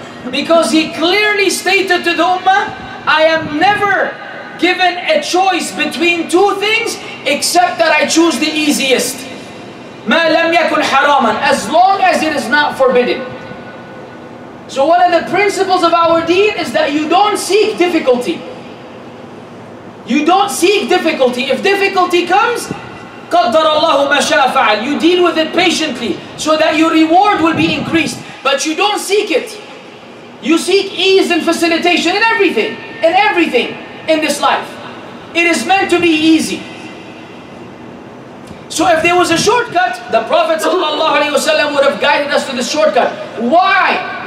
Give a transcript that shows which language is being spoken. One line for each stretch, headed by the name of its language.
English: Because he clearly stated to the Ummah, I am never given a choice between two things except that I choose the easiest.
Arabic: مَا لَمْ يَكُنْ حَرَامًا.
English: As long as it is not forbidden. So one of the principles of our deen is that you don't seek difficulty. You don't seek difficulty. If difficulty comes,
Arabic: قَدَّرَ اللَّهُ مَا شَاءَ فَعَلْ.
English: You deal with it patiently so that your reward will be increased. But you don't seek it. You seek ease and facilitation in everything in this life. It is meant to be easy. So if there was a shortcut, the Prophet ﷺ would have guided us to this shortcut. Why?